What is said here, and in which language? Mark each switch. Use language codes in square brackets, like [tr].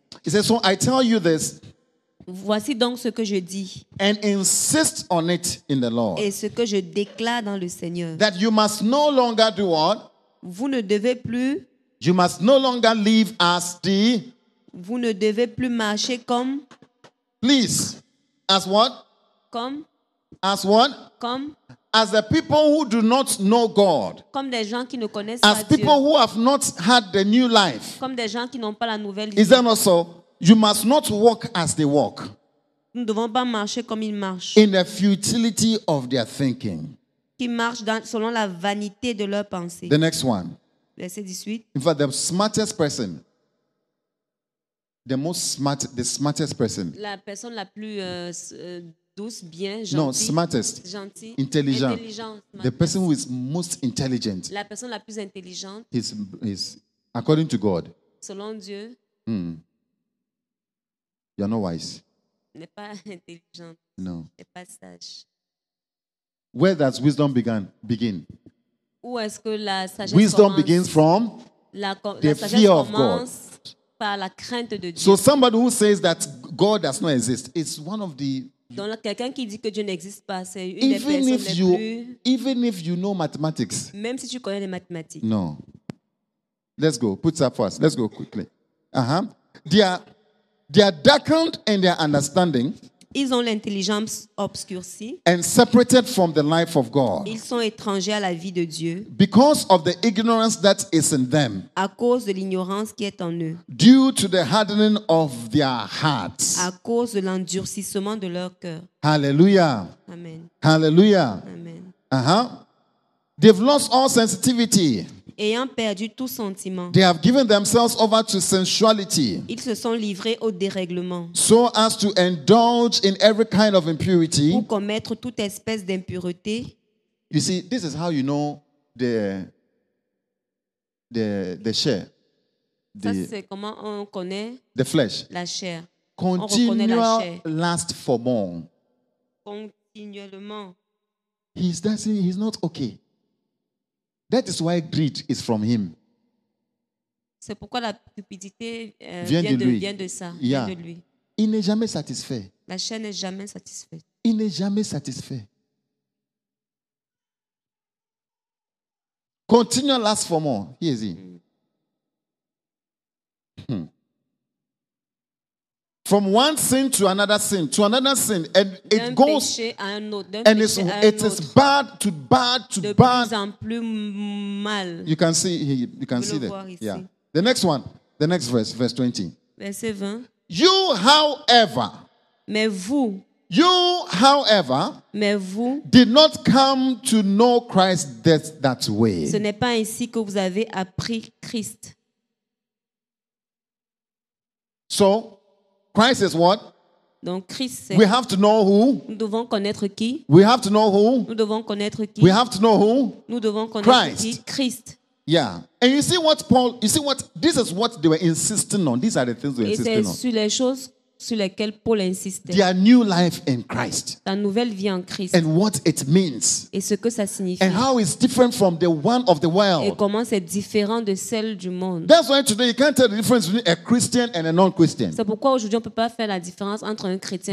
[en] It says, so I tell you this. [fr] Voici donc ce que je dis. [en] And insist on it in the Lord. [fr] Et ce que je déclare dans le Seigneur. [en] That you must no longer do what? [fr] Vous ne devez plus. [en] You must no longer live as the. [fr] Vous ne devez plus marcher comme. [en] Please. As what? [fr] Comme. [en] As what? [fr] Comme. [en] As the people who do not know God. [fr] Comme des gens qui ne connaissent pas Dieu. [en] As people who have not had the new life. [fr] Comme des gens qui n'ont pas la nouvelle [en] vie. Is that not so? You must not walk as they walk. [fr] Nous ne devons pas marcher comme ils marchent. [en] In the futility of their thinking. [fr] Qui marchent dans, selon la vanité de leur pensée. [en] The next one. [fr] Verset 18. [en] In fact, the smartest person. The most smart, the smartest person. [fr] La personne la plus douce, bien, gentille. [en] No, smartest. [fr] Gentil. Intelligent. Intelligent. [en] The person who is most intelligent. [fr] La personne la plus intelligente. [en] Is according to God. [fr] Selon Dieu. [en] You're not wise. [fr] N'est pas intelligent. [en] No. [fr] N'est pas sage. [en] Where does wisdom begin? [fr] Où est-ce que la sagesse [en] wisdom [fr] commence? [en] Begins from the fear of God. [fr] Par la crainte de Dieu. [en] So somebody who says that God does not exist, it's one of the. [fr] Donc quelqu'un qui dit que Dieu n'existe pas, c'est une [en] even [fr] des [en] if [fr] les [en] you [fr] plus, [en] even if you know mathematics. [fr] Même si tu connais les mathématiques. [en] No. Let's go. Put that for us. Let's go quickly. Uh-huh. They are darkened in their understanding. [fr] Ils ont l'intelligence obscurcie. [en] And separated from the life of God. [fr] Ils sont étrangers à la vie de Dieu. [en] Because of the ignorance that is in them. [fr] À cause de l'ignorance qui est en eux. [en] Due to the hardening of their hearts. [fr] À cause de l'endurcissement de leur cœur. Hallelujah. Amen. Hallelujah. Amen. Uh-huh. [en] They've lost all sensitivity. [fr] Ayant perdu tout sentiment. [en] They have given themselves over to sensuality. [fr] Ils se sont livrés au dérèglement. [en] So as to indulge in every kind of impurity. [fr] Pour commettre toute espèce d'impureté. [en] You see, this is how you know the the chair. [fr] Ça, c'est comment on connaît [en] the flesh. [fr] La chair. [en] Continual lust for more. [fr] Continuellement. [en] He's dancing, he's not okay. That is why greed is from him. [fr] C'est pourquoi la cupidité vient de ça. [en] Yeah. [fr] Vient de lui. Il n'est jamais satisfait. La chair n'est jamais satisfaite. Il n'est jamais satisfait. [en] Continue and ask for more. Here is he. From one sin to another sin, to another sin. And it goes. And it is bad. [fr] De plus en plus mal. [en] You can see that. Yeah. The next one. The next verse. Verse 20. [fr] Verset 20. [en] You, however. [fr] Mais vous. [en] You, however, [fr] mais vous, [en] did not come to know Christ that way. [fr] Ce n'est pas ainsi que vous avez appris Christ. [en] So, Christ is what? [fr] Donc Christ, c'est. [en] We have to know who? [fr] Nous devons connaître qui? [en] We have to know who? [fr] Nous devons connaître qui? [en] We have to know who? [fr] Nous devons connaître [en] Christ. [fr] Qui? Christ. [en] Yeah. And you see what Paul, you see what, this is what they were insisting on. These are the things they were insisting on. [fr] Et c'est sur les choses sur lesquels Paul insistait. [en] Their new life in Christ. [fr] Ta nouvelle vie en Christ. [en] And what it means. [fr] Et ce que ça signifie. [en] And how it's different from the one of the world. [fr] Et comment c'est différent de celle du monde. [en] That's why today you can't tell the difference between a Christian and a non-Christian. [fr] C'est pourquoi aujourd'hui on peut pas faire la différence entre un chrétien